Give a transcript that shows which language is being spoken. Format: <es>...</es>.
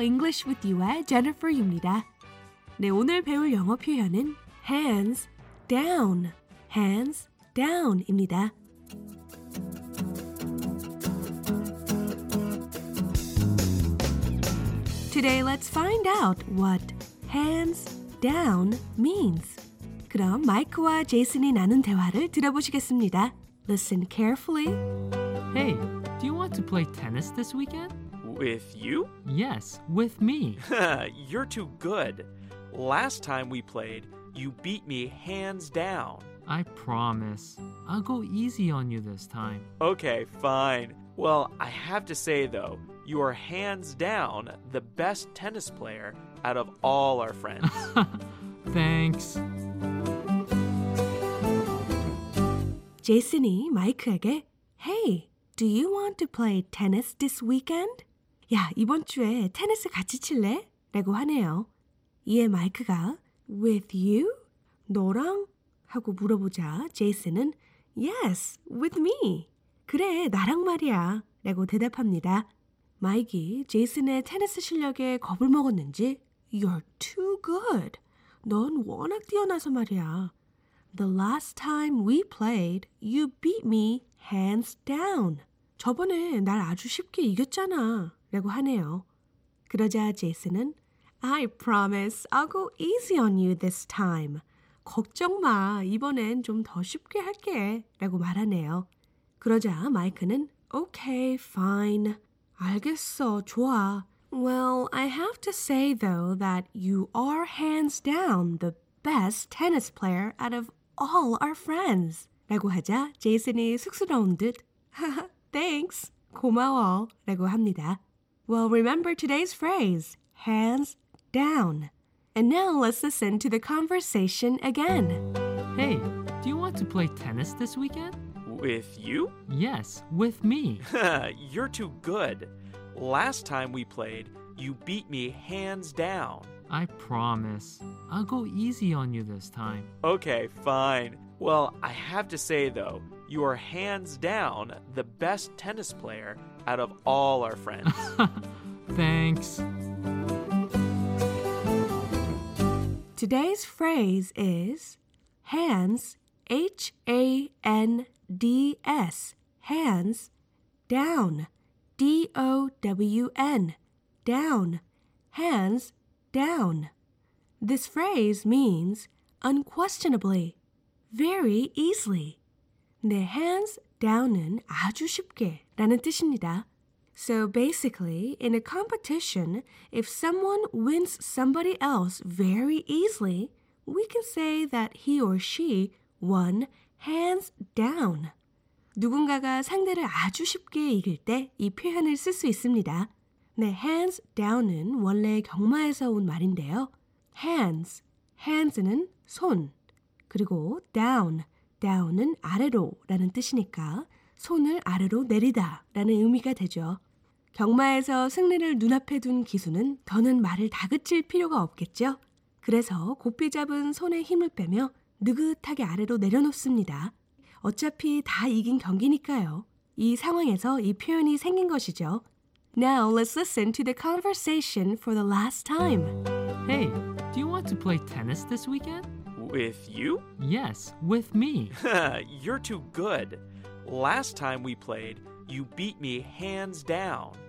<ko>English with you의 제니퍼입니다. 네, 오늘 배울 영어 표현은 hands down, hands down입니다.</ko> <en>'Today let's find out what hands down means.</en> <ko>그럼 마이크와 제이슨이 나눈 대화를 들어보시겠습니다.</ko> <en>Listen carefully. Hey, do you want to play tennis this weekend? With you? Yes, with me. You're too good. Last time we played, you beat me hands down. I promise. I'll go easy on you this time. Okay, fine. Well, I have to say, though, you are hands down the best tennis player out of all our friends. Thanks.</en> <ko>제이슨이 마이크에게</ko> <en>Hey, do you want to play tennis this weekend?</en> <ko>야, 이번 주에 테니스 같이 칠래? 라고 하네요. 이에 마이크가</ko> <en>With you?</en> <ko>너랑? 하고 물어보자 제이슨은</ko> <en>Yes, with me.</en> <ko>그래, 나랑 말이야. 라고 대답합니다. 마이크가 제이슨의 테니스 실력에 겁을 먹었는지</ko> <en>You're too good.</en> <ko>넌 워낙 뛰어나서 말이야.</ko> <en>The last time we played, you beat me hands down.</en> <ko>저번에 날 아주 쉽게 이겼잖아. 라고 하네요. 그러자 제이슨은</ko> <en>I promise I'll go easy on you this time.</en> <ko>걱정 마. 이번엔 좀 더 쉽게 할게. 라고 말하네요. 그러자 마이크는</ko> <en>Okay, fine.</en> <ko>알겠어. 좋아.</ko> <en>Well, I have to say though that you are hands down the best tennis player out of all our friends.</en> <ko>라고 하자 제이슨이 쑥스러운 듯 하하,</ko> <en>thanks,</en> <ko>고마워 라고 합니다.</ko> <en>Well, remember today's phrase, hands down. And now let's listen to the conversation again. Hey, do you want to play tennis this weekend? With you? Yes, with me. You're too good. Last time we played, you beat me hands down. I promise. I'll go easy on you this time. Okay, fine. Well, I have to say, though, you are hands down the best tennis player out of all our friends. Thanks. Today's phrase is hands, H-A-N-D-S, hands, down, D-O-W-N, down, hands, down. This phrase means unquestionably, very easily.</en> <ko>내 hands down은 아주 쉽게 라는 뜻입니다.</ko> <en>So basically, in a competition, if someone wins somebody else very easily, we can say that he or she won hands down.</en> <ko>누군가가 상대를 아주 쉽게 이길 때 이 표현을 쓸 수 있습니다. 네, hands down은 원래 경마에서 온 말인데요. Hands, hands는 손, 그리고 down, down은 아래로 라는 뜻이니까 손을 아래로 내리다 라는 의미가 되죠. 경마에서 승리를 눈앞에 둔 기수는 더는 말을 다그칠 필요가 없겠죠. 그래서 고삐 잡은 손의 힘을 빼며 느긋하게 아래로 내려놓습니다. 어차피 다 이긴 경기니까요. 이 상황에서 이 표현이 생긴 것이죠.</ko> <en>Now let's listen to the conversation for the last time. Hey, do you want to play tennis this weekend? With you? Yes, with me. You're too good. Last time we played, you beat me hands down.</en>